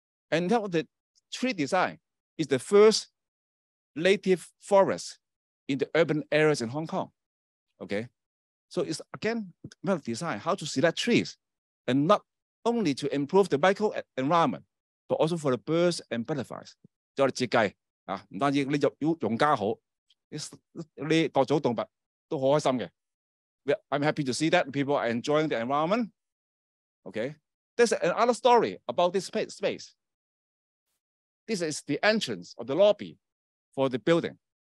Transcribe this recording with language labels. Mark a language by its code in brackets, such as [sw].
[en] And now the tree design is the first native forest in the urban areas in Hong Kong, okay? So it's again, about design, how to select trees and not only to improve the micro environment, but also for the birds and butterflies. [yue] 就是設計,不單止這些用家好,這些各種動物都很開心的。 [en] I'm happy to see that people are enjoying the environment. Okay, there's another story about this space. This is the entrance of the lobby for the building.